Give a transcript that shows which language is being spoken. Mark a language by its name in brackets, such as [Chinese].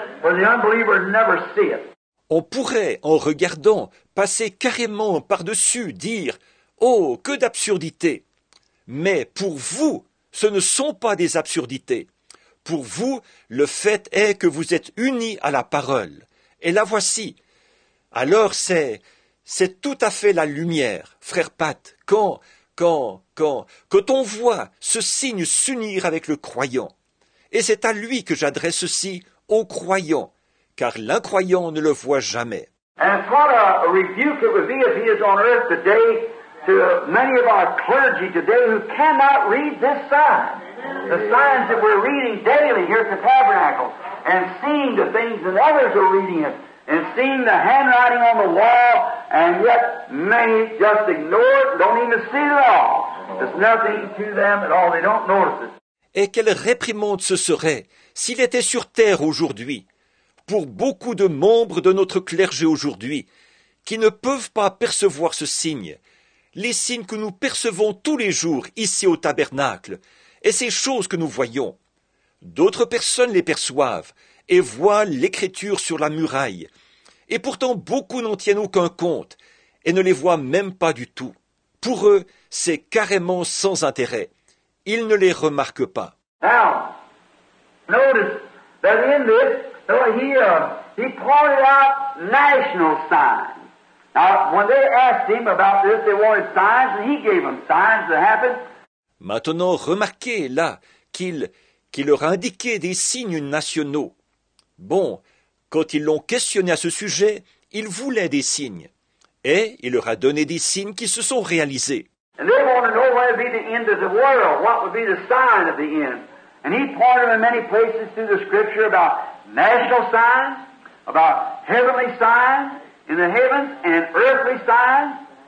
[English] For the unbeliever never see it. [French] On pourrait, en regardant, passer carrément par-dessus, dire, « Oh, que d'absurdité !» Mais pour vous, ce ne sont pas des absurdités. Pour vous, le fait est que vous êtes unis à la parole. Et la voici. Alors c'est tout à fait la lumière, frère Pat, quand on voit ce signe s'unir avec le croyant. Et c'est à lui que j'adresse ceci, au croyant, car l'incroyant ne le voit jamais. [English] And what a rebuke it would be if he is on earth today to many of our clergy today who cannot read this sign. The signs that we're reading daily here at the tabernacle and seeing the things that others are reading it and seeing the handwriting on the wall, and yet many just ignore it, don't even see it at all. It's nothing to them at all, they don't notice it. [French] Et quelle réprimande ce serait s'il était sur terre aujourd'hui, pour beaucoup de membres de notre clergé aujourd'hui, qui ne peuvent pas percevoir ce signe, les signes que nous percevons tous les jours ici au tabernacle, et ces choses que nous voyons. D'autres personnes les perçoivent et voient l'écriture sur la muraille, et pourtant beaucoup n'en tiennent aucun compte et ne les voient même pas du tout. Pour eux, c'est carrément sans intérêt. Ils ne les remarquent pas. [English] Now, notice that in this, he pointed out national signs. Now, when they asked him about this, they wanted signs, and he gave them signs that happened. [French] Maintenant, remarquez là qu'il leur a indiqué des signes nationaux. Bon, quand ils l'ont questionné à ce sujet, ils voulaient des signes. Et il leur a donné des signes qui se sont réalisés. [English] And they want to know what would be the end of the world, what would be the sign of the end. And he pointed them in many places through the scripture about national signs, about heavenly signs in the heavens and earthly signs.